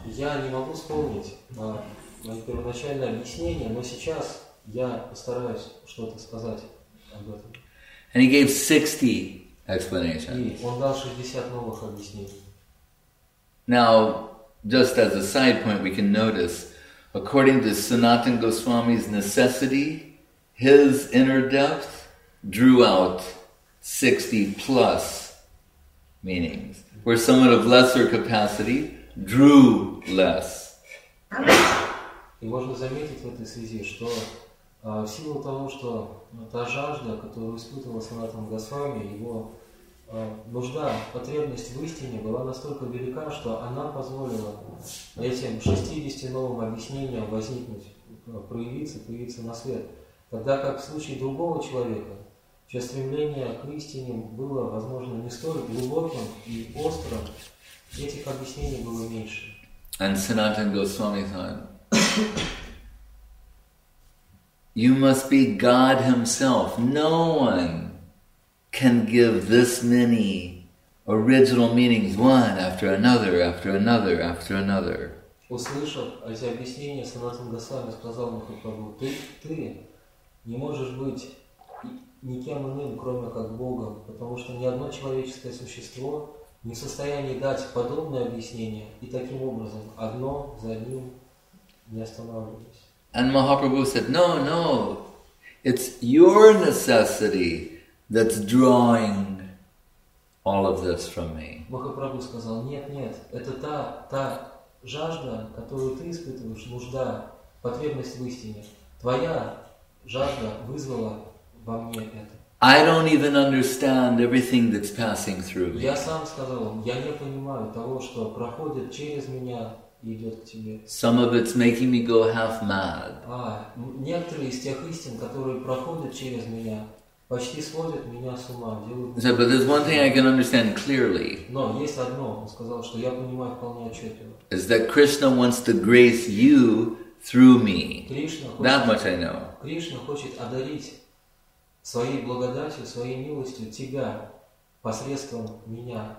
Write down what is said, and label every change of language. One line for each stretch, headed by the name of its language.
Russian: Я не могу вспомнить мое первоначальное объяснение, но сейчас я постараюсь что-то сказать об этом.
English: And he gave 60 explanations.
Russian: И он дал 60 новых объяснений.
English: Now, just as a side point, we can notice, according to Sanatana Goswami's necessity, his inner depth drew out 60 plus meanings, where someone of lesser capacity drew less.
Russian: И можно заметить в этой связи, что в силу того, что та жажда, которую испытывал Санатана Госвами, его нужда, потребность в истине была настолько велика, что она позволила этим 60 новым объяснениям возникнуть, появиться на свет. Тогда как в случае другого человека, чье стремление к истине было, возможно, не столь глубоким и острым, этих объяснений было меньше.
English: And Sanatana Goswami thought... You must be God Himself. No one can give this many original meanings, one after another, after another, after another.
Russian: Услышав эти объяснения, Санатан Госвами сказал Махапрабху, ты не можешь быть никем иным, кроме как Богом, потому что ни одно человеческое существо не в состоянии дать подобное объяснение, и таким образом одно за одним не останавливаясь.
English: And Mahaprabhu said, no, it's your necessity that's drawing all of this from me.
Russian: Махапрабху сказал, нет, это та жажда, которую ты испытываешь, нужда, потребность в истине. Твоя жажда вызвала во мне это.
English: I don't even understand everything that's passing through me.
Russian: Я сам сказал, я не понимаю того, что проходит через меня и идет к тебе.
English: Some of it's making me go half mad.
Russian: Некоторые из тех истин, которые проходят через меня, почти сводят меня с ума.
English: But there's one thing I can understand clearly.
Russian: Но есть одно, он сказал, что я понимаю вполне отчетливо.
English: Is that Krishna wants to grace you through me. That much I know.
Russian: Кришна хочет одарить своей благодатью, своей милостью тебя посредством меня.